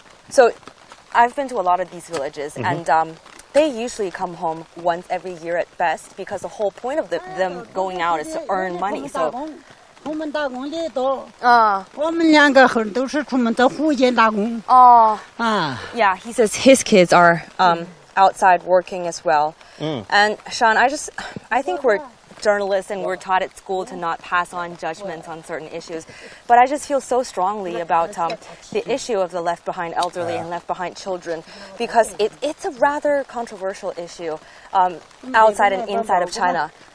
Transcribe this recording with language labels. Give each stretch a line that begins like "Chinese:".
English: So I've been to a lot of these villages, mm-hmm. and they usually come home once every year at best, because the whole point of them going out is to earn money. So.
Chinese: 我们打工的多我们两个孩都是出门在湖间打工。
English: Yeah, he says his kids are. Outside working as well. And Sean, I think we're journalists and we're taught at school to not pass on judgments on certain issues, but I just feel so strongly about the issue of the left behind elderly and left behind children, because it's a rather controversial issue outside and inside of China.